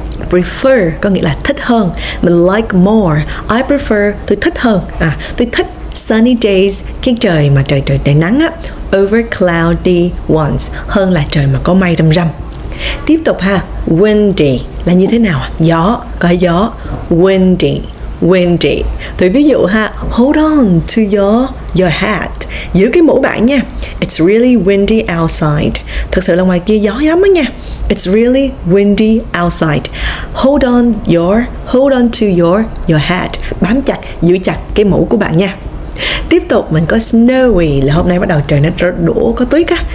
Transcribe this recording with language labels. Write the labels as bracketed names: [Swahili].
[Vietnamese] Prefer có nghĩa là thích hơn. Mình [English] like more. I prefer, [Vietnamese] tôi thích hơn. Tôi thích [English] sunny days, [Vietnamese] cái trời mà trời nắng á, [English] over cloudy ones, [Vietnamese] hơn là trời mà có mây râm râm. Tiếp tục ha, windy là như thế nào? Gió, có gió. Windy, windy. Thì ví dụ ha, [English] hold on to your hat. [Vietnamese] Giữ cái mũ bạn nha. [English] It's really windy outside. [Vietnamese] Thật sự là ngoài kia gió lắm á nha. [English] It's really windy outside. Hold on to your hat. [Vietnamese] Bám chặt, giữ chặt cái mũ của bạn nha. Tiếp tục mình có snowy là hôm nay bắt đầu trời nó đổ có tuyết á.